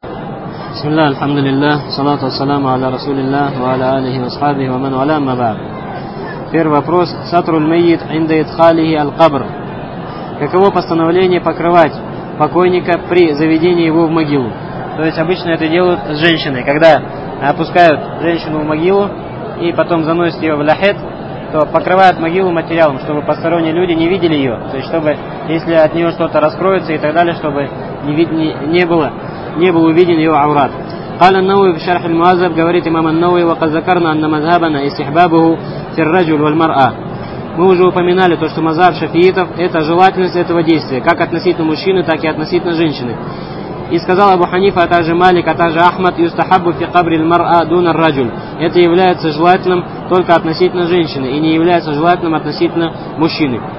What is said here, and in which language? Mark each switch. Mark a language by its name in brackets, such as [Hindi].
[Arabic] بسم الله الحمد لله والصلاة والسلام على رسول الله وعلى آله وصحبه ومن والاه ما بعد. [Russian] Первый вопрос. [Arabic] Сатр аль-майт инда идхалихи аль-кабр. [Russian] Каково постановление покрывать покойника при заведении его в могилу? То есть обычно это делают с женщиной. Когда опускают женщину в могилу и потом заносят ее в лахет, то покрывают могилу материалом, чтобы посторонние люди не видели ее. То есть чтобы, если от нее что-то раскроется и так далее, чтобы не был увиден его аурат. [Arabic] قال النووي في شرح المعذب [Russian] говорит имам [Arabic] النووي وقد ذكرنا أن مذهبنا استحبابه في الرجل والمرأة. [Russian] Мы уже упоминали то, что мазаб шафиитов это желательность этого действия, как относительно мужчины, так и относительно женщины. И сказал Абу Ханифа, а также Малик, а также Ахмад, [Arabic] юстахаббу фи кабри аль-мар'а дуна ар-раджуль. [Russian] Это является желательным только относительно женщины и не является желательным относительно мужчины.